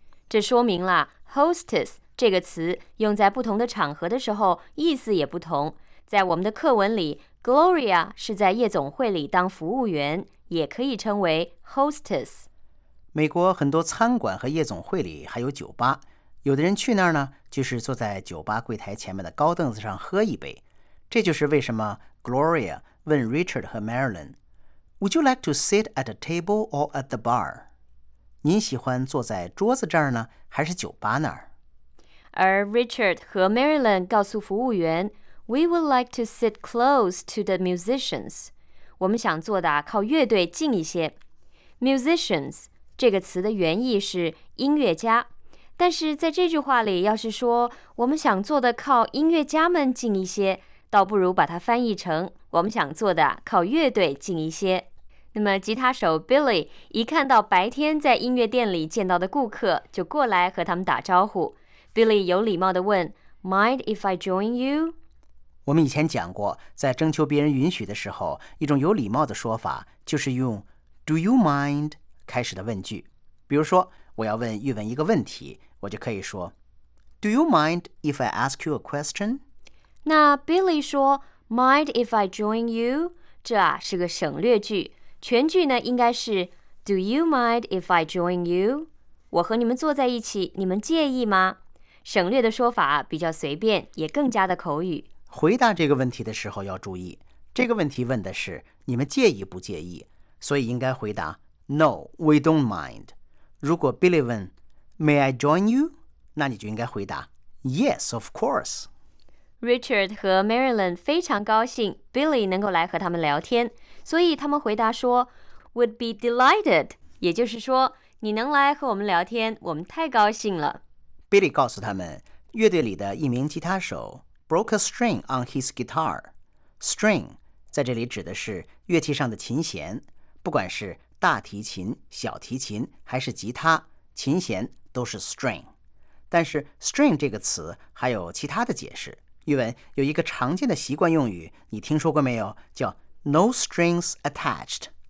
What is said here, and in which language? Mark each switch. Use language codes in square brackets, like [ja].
[zh] 这说明了 hostess 这个词用在不同的场合的时候意思也不同。在我们的课文里， Gloria 是在夜总会里当服务员，也可以称为 hostess。美国很多餐馆和夜总会里还有酒吧，有的人去那儿呢，就是坐在酒吧柜台前面的高凳子上喝一杯。这就是为什么 [en] Gloria 问 Richard 和 MarilynWould you like to sit at a table or at the bar? [zh] 您喜欢坐在桌子这儿呢，还是酒吧那儿？ [en] 而 Richard 和 Marilyn [zh] 告诉服务员 [en] We would like to sit close to the musicians. [zh] 我们想坐的靠乐队近一些。Musicians 这个词的原意是音乐家，但是在这句话里要是说我们想坐的靠音乐家们近一些，倒不如把它翻译成我们想坐的靠乐队近一些。那么吉他手 Billy 一看到白天在音乐店里见到的顾客，就过来和他们打招呼。 [en] Billy [zh] 有礼貌地问 [en] Mind if I join you? [zh] 我们以前讲过，在征求别人允许的时候，一种有礼貌的说法就是用 [en] Do you mind [zh] 开始的问句。比如说我要问玉文一个问题，我就可以说 [en] Do you mind if I ask you a question? 那 Billy 说 Mind if I join you? [zh] 这啊是个省略句，全句呢应该是 [en] Do you mind if I join you? [zh] 我和你们坐在一起，你们介意吗？省略的说法比较随便，也更加的口语。回答这个问题的时候要注意，这个问题问的是你们介意不介意，所以应该回答 [en] No, we don't mind。 [zh] 如果 [en] Billy 问 May I join you? [zh] 那你就应该回答 [en] Yes, of course。 [zh] Richard 和 Marilyn 非常高兴 Billy 能够来和他们聊天，所以他们回答说 [en] Would be delighted， [zh] 也就是说你能来和我们聊天，我们太高兴了。 Billy 告诉他们乐队里的一名吉他手 [en] broke a string on his guitar。 [zh] String 在这里指的是乐器上的琴弦，不管是大提琴、小提琴还是吉他，琴弦都是 string。但是 string 这个词还有其他的解释。玉文，有一个常见的习惯用语你听说过没有，叫 [en] no strings attached。